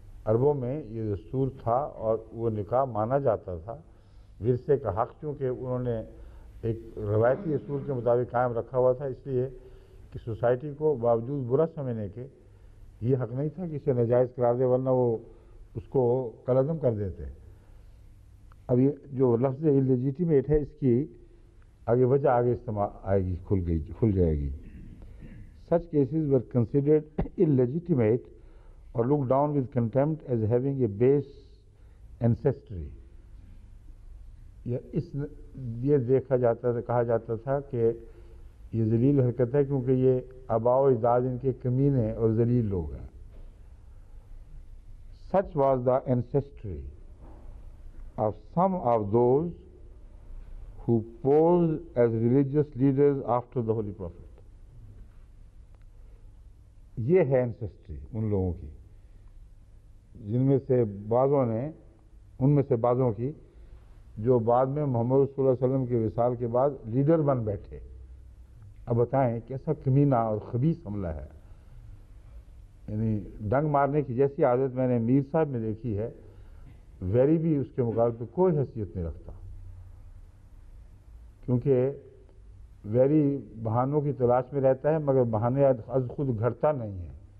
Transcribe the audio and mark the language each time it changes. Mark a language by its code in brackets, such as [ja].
[ur] عربوں میں یہ دستور تھا اور وہ نکاح مانا جاتا تھا ورثے کا حق, چونکہ انہوں نے ایک روایتی اصول کے مطابق قائم رکھا ہوا تھا, اس لیے کہ سوسائٹی کو باوجود برا سمجھنے کے یہ حق نہیں تھا کہ اسے ناجائز قرار دے, ورنہ وہ اس کو قلعدم کر دیتے. اب یہ جو لفظ الیجیٹیمیٹ ہے اس کی آگے وجہ آگے استعمال آئے گی, کھل جائے گی. [en] Such cases were considered illegitimate or looked down with contempt as having a base ancestry. [ur] یہ دیکھا جاتا تھا, کہا جاتا تھا کہ یہ ذلیل حرکت ہے کیونکہ یہ آبا و اجداد ان کے کمینے اور ذلیل لوگ ہیں. [en] Such was the ancestry of some of those who posed as religious leaders after the Holy Prophet. [ur] یہ ہے انسسٹری ان لوگوں کی جن میں سے بعضوں کی جو بعد میں محمد رسول اللہ صلی اللہ علیہ وسلم کے وصال کے بعد لیڈر بن بیٹھے. اب بتائیں کیسا کمینہ اور خبیث حملہ ہے. یعنی ڈنگ مارنے کی جیسی عادت میں نے میر صاحب میں دیکھی ہے, ویری بھی اس کے مقابلے پہ کوئی حیثیت نہیں رکھتا, کیونکہ ویری بہانوں کی تلاش میں رہتا ہے مگر بہانے از خود گھڑتا نہیں ہے.